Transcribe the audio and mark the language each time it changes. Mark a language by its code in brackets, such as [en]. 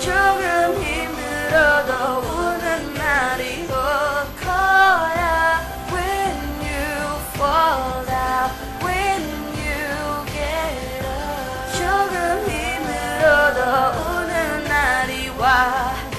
[ko] 조금 힘들어도 우는 날이 올 거야. [en] When you fall down, when you get up. [ko] 조금 힘들어도 우는 날이 와.